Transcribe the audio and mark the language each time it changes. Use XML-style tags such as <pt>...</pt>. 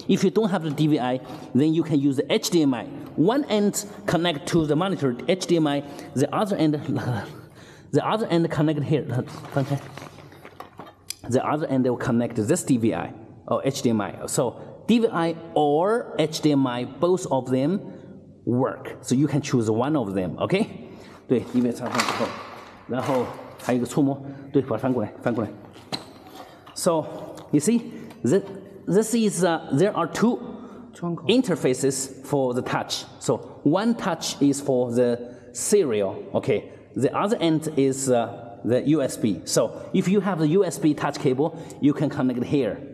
<en>If you don't have the DVI, then you can use the HDMI. One end connect to the monitor, HDMI, the other end, the other end connect here, okay? The other end will connect this DVI or HDMI. So DVI or HDMI, both of them work. So you can choose one of them, okay?</en> <zh>对，因为插上之后，然后还有个触摸，对，把它翻过来，翻过来。</zh> <en>So, you see, this is, there are two interfaces for the touch. So, one touch is for the serial, okay? The other end is the USB. So, if you have the USB touch cable, you can connect here.</en>